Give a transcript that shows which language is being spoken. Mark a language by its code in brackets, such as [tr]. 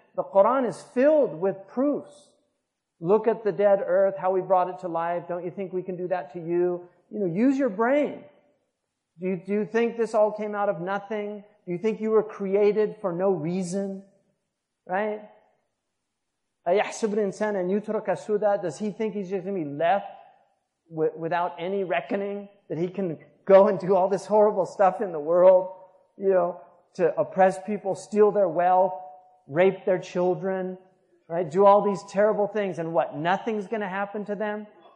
[en] The Quran is filled with proofs. Look at the dead earth, how we brought it to life. Don't you think we can do that to you? You know, use your brain. Do you think this all came out of nothing? Do you think you were created for no reason? Right? [ar] أَيَحْسُبُ الْإِنسَانَ أَنْ يُتْرَكَ سُدًى. [en] Does he think he's just going to be left without any reckoning? That he can go and do all this horrible stuff in the world, you know, to oppress people, steal their wealth, rape their children, right, do all these terrible things, and what, nothing's going to happen to them?